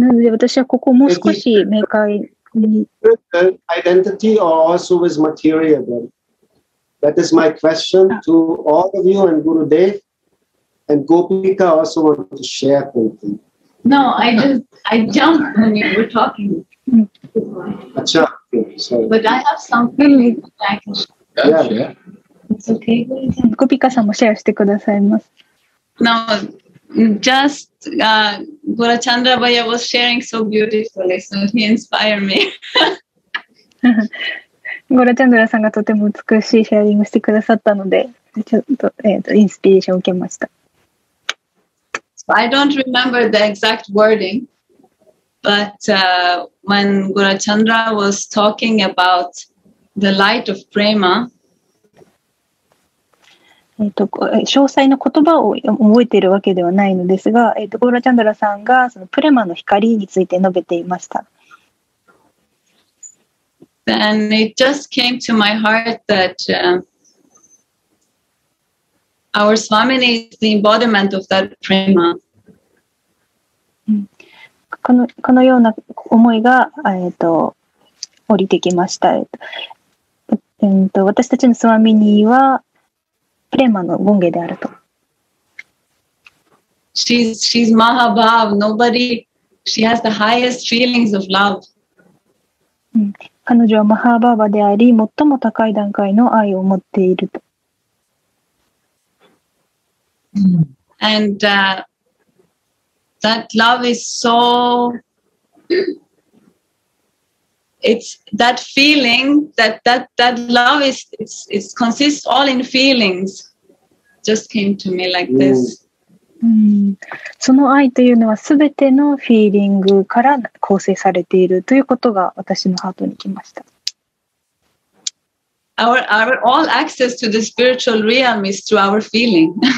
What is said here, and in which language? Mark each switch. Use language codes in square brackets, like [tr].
[ja] 私はここもう少し明解。 [en] Identity or also with material then? That is my question to all of you and Gurudev and Gopika also want to share something. No, I jumped when you were talking. Achha, sorry. But I have something that I can share. Yeah. It's okay. [ja] Gopika-san もシェアしてくださいます。 [en] No, just... Gurachandra Bhaiya was sharing so beautifully, so he inspired me. [ja] Gurachandra さんがとても美しいシェアリングしてくださったので、ちょっと、インスピレーションを受けました。 [en] I don't remember the exact wording, but when Gurachandra was talking about the light of prema, [ja] 詳細の言葉を覚えているわけではないのですが、ゴーラチャンドラさんがそのプレマの光について述べていました。 [en] Then it just came to my heart that our Swamini is the embodiment of that prema. [ja] このような思いが降りてきました。私たちのスワミニはプレマのゴンゲであると。 [en] She's Mahabhav. Nobody. She has the highest feelings of love. [ja] 彼女はマハバーバであり、最も高い段階の愛を持っていると。 [en] And that love is so. It's that feeling that love is. It consists all in feelings. Just came to me like this. [ja] その愛というのはすべてのフィーリングから構成されているということが私のハートに来ました。 [en] Our all access to the spiritual realm is through our feeling.